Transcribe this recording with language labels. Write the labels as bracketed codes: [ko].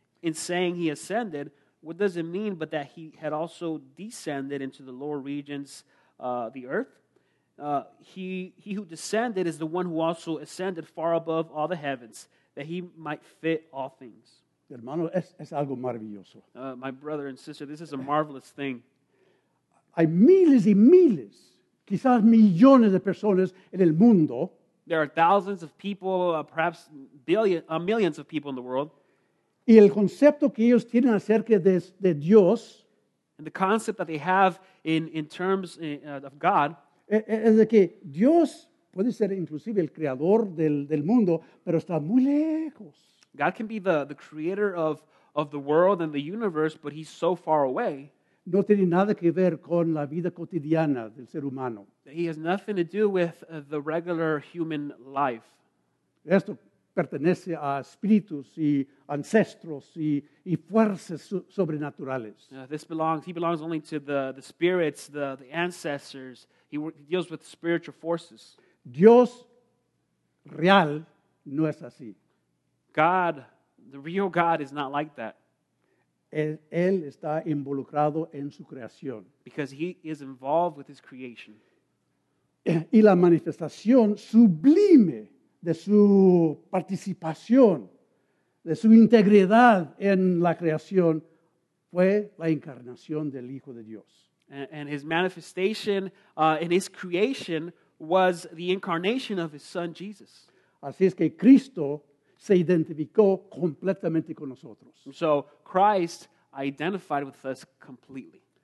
[en] In saying he ascended, what does it mean but that he had also descended into the lower regions, the earth? He who descended is the one who also ascended far above all the heavens, that he might fit all things. [es] Hermano, es algo maravilloso. [en] My brother and sister, this is a marvelous thing. [es] Hay miles y miles. Quizás millones de personas en el mundo. [en] There are thousands of people, perhaps millions of people in the world. [es] Y el concepto que ellos tienen acerca de Dios. [en] And the concept that they have in terms of God. [es] Es de que Dios puede ser inclusive el creador del mundo, pero está muy lejos. [en] God can be the creator of the world and the universe, but he's so far away. [es] No tiene nada que ver con la vida cotidiana del ser humano. [en] He has nothing to do with the regular human life. [es] Esto pertenece a espíritus y ancestros y fuerzas sobrenaturales. [en] He belongs only to the spirits, the ancestors. He deals with spiritual forces. [es] Dios real no es así. [en] God, the real God is not like that. [es] Él está involucrado en su creación. [en] Because he is involved with his creation. [es] Y la manifestación sublime de su participación, de su integridad en la creación, fue la encarnación del Hijo de Dios. [en] And his manifestation in his creation was the incarnation of his Son Jesus. [es] Así es que Cristo se identificó completamente con nosotros. [en] So Christ identified with us completely.